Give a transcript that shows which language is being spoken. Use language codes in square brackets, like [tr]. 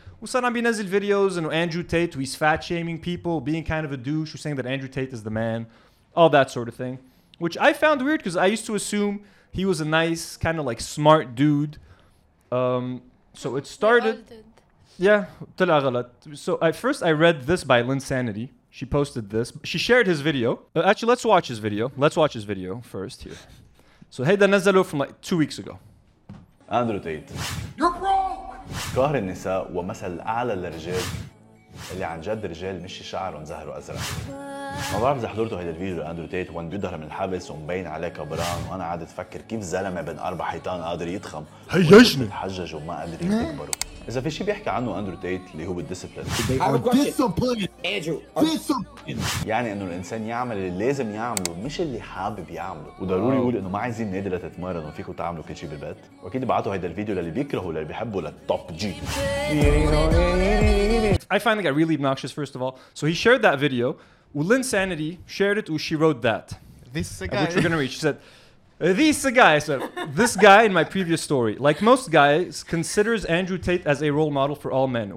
[en] We saw him nazil videos and Andrew Tate, he's fat shaming people, being kind of a douche, saying that Andrew Tate is the man, all that sort of thing, which I found weird because I used to assume he was a nice, kind of like smart dude. So it started. Yeah. So at first I read this by Lynn Sanity. She posted this. She shared his video. Actually, let's watch his video. Let's watch his video first here. So hey, the nazalo from like 2 weeks ago. Andrew Tate. You're broke. [ar] قهر النساء ومثل أعلى للرجال اللي عن جد رجال مش شعرهم زهر أزرق. ما بعرف إذا حضرتوا هذا الفيديو لأندرو تيت وين بيظهر من الحبس ومبين عليه كبران وأنا عاد أفكر كيف زلمة بين أربع حيطان قادر يضخم هيجني حجج وما قادر يكبره إذا في شيء بيحكي عنه أندرو تيت اللي هو بالديسيبلين يعني إنه الإنسان يعمل اللي لازم يعمله مش اللي حابب يعمله وضروري يقول إنه ما عايزين نادرة تتمرن وفيكم تعملوا كل شيء بالبيت وأكيد بعتوا هذا الفيديو للي بيكرهوا للي بيحبوا للتوب جي [en] I find it got really obnoxious first of all so he shared that video. Lynn Sanity shared it, she wrote that. This guy. Which we're going to read. She said, this guy. I said, this guy in my previous story, like most guys, considers Andrew Tate as a role model for all men.